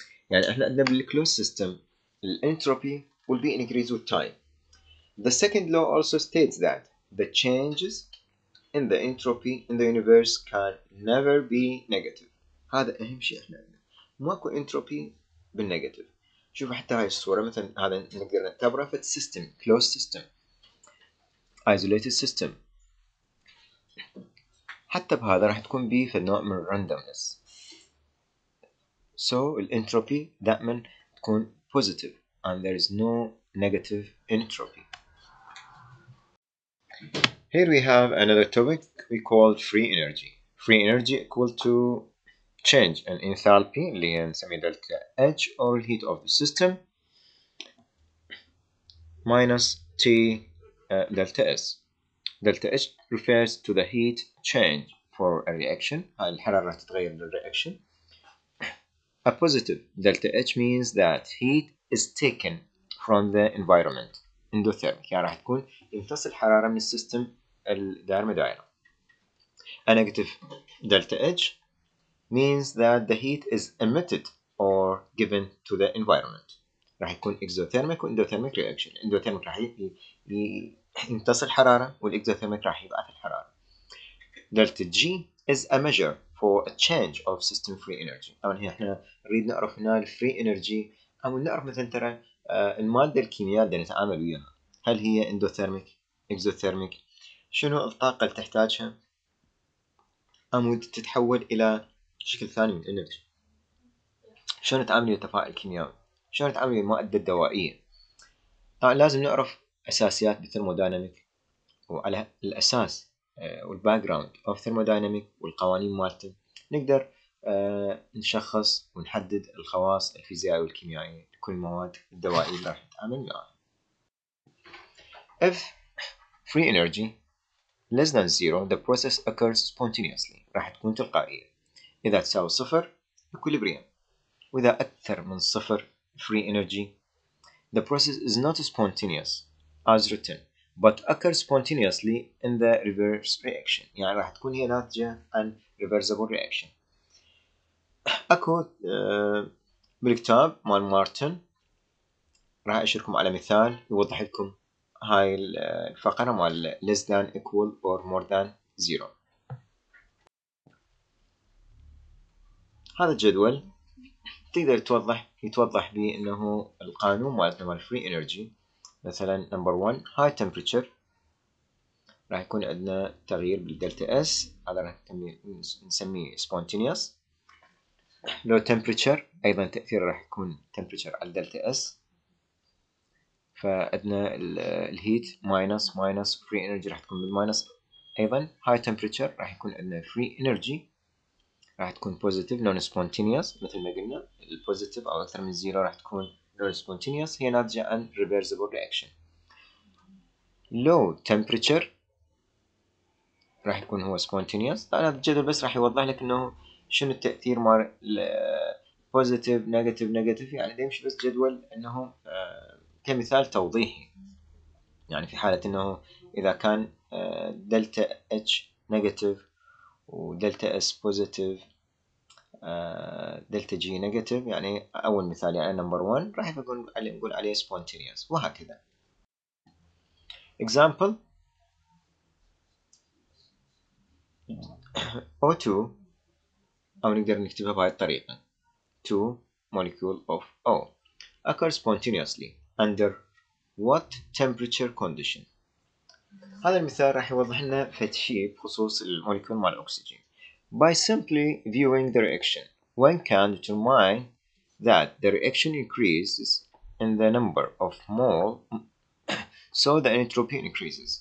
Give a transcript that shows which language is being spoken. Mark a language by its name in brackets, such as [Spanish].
[Arabic] يعني احنا عندنا بالكلوز سيستم الانتروبي [English] will be increased with time. The second law also states that the changes in the entropy in the universe can never be negative. [Arabic] هذا اهم شيء احنا عندنا. ماكو انتروبي بالنيجاتيف. شوف حتى هاي الصوره مثلا هذا نقدر نعتبره في السيستم closed system isolated system. حتى بهذا راح تكون بيه في نوع من randomness. [English] So [Arabic] الانتروبي دائما تكون [English] positive and there is no negative entropy. Here we have another topic we called free energy. Free energy equal to change in enthalpy [Arabic] اللي هي نسميه [English] delta H or heat of the system minus T delta S. Delta H refers to the heat change for a reaction. [Arabic] هاي الحرارة تتغير للرياكشن. [English] A positive delta H means that heat is taken from the environment endothermic. [Arabic] يعني راح تكون يمتص الحرارة من السيستم الدارمة دائرة. [English] A negative delta H means that the heat is emitted or given to the environment. [Arabic] راح يكون exothermic و endothermic reaction. Endothermic راح يمتص الحرارة والإكزوثيرميك راح يبعث الحرارة. [English] Delta G is a measure for a change of system free energy. [Arabic] طبعا هنا احنا نريد نعرف هنا الفري انرجي او نعرف مثلا ترى المادة الكيمياء اللي نتعامل وياها هل هي endothermic, exothermic, شنو الطاقة اللي تحتاجها او تتحول الى شكل ثاني من الانرجي. شلون نتعامل ويا تفاعل كيميائي؟ شلون نتعامل ويا المادة الدوائية؟ طبعا لازم نعرف اساسيات بالثيرموداينامك وعلى الاساس والباك جراوند اوف ثيرموداينامك والقوانين مالته نقدر نشخص ونحدد الخواص الفيزيائيه والكيميائيه لكل المواد الدوائيه اللي راح نتعامل معها. [English] If free energy less than zero, the process occurs spontaneously. [Arabic] راح تكون تلقائيه. اذا تساوي صفر equilibrium. واذا اكثر من صفر [English] free energy, the process is not spontaneous as written, but occurs spontaneously in the reverse reaction. [Arabic] يعني راح تكون هي ناتجة عن reversible reaction. اكو بالكتاب مال مارتن راح اشاركم على مثال يوضح لكم هاي الفقرة مال [English] less than equal or more than zero. [Arabic] هذا الجدول تقدر يتوضح به انه القانون مالتنا مال free energy مثلا نمبر 1 هاي تمبريتشر راح يكون عندنا تغيير بالدلتا اس هذا راح نسميه سبونتينيوس. لو تمبريتشر ايضا تاثير راح يكون تمبريتشر على الدلتا اس فعندنا الهيت ماينس ماينس فري انرجي راح تكون بالماينس ايضا هاي تمبريتشر راح يكون عندنا فري انرجي راح تكون بوزيتيف نون سبونتينيوس مثل ما قلنا البوزيتيف او اكثر من زيرو راح تكون spontaneous هي ناتجة عن reversible reaction. Low temperature راح يكون هو spontaneous. طبعا هذا الجدول بس راح يوضح لك انه شنو التأثير مال positive negative negative يعني دايمشي بس جدول انه كمثال توضيحي يعني في حالة انه اذا كان delta H negative و delta S positive دلتا جي نيجاتيف يعني اول مثال يعني نمبر 1 راح نقول عليه spontaneous وهكذا. [English] example O2 [Arabic] او نقدر نكتبها بهاي الطريقة [English] 2 molecule of O occurs spontaneously under what temperature condition. [Arabic] هذا المثال راح يوضح لنا فتشي بخصوص المولكيول مال الأكسجين. [English] By simply viewing the reaction, one can determine that the reaction increases in the number of mole, so the entropy increases.